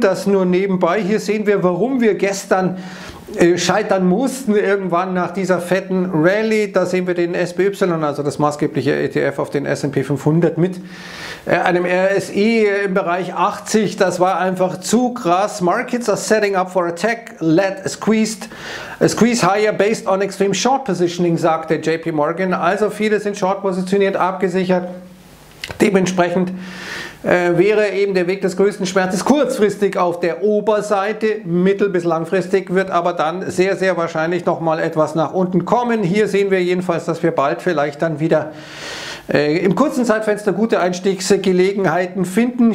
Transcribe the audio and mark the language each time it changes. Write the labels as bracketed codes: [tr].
[de] Das nur nebenbei. Hier sehen wir, warum wir gestern scheitern mussten irgendwann nach dieser fetten Rallye. Da sehen wir den SPY, also das maßgebliche ETF auf den S&P 500 mit einem RSI im Bereich 80. Das war einfach zu krass. [en] Markets are setting up for a tech-led squeeze higher based on extreme short positioning, sagte JP Morgan. [de] Also viele sind short positioniert, abgesichert. Dementsprechend wäre eben der Weg des größten Schmerzes kurzfristig auf der Oberseite, mittel- bis langfristig wird aber dann sehr, sehr wahrscheinlich nochmal etwas nach unten kommen. Hier sehen wir jedenfalls, dass wir bald vielleicht dann wieder im kurzen Zeitfenster gute Einstiegsgelegenheiten finden.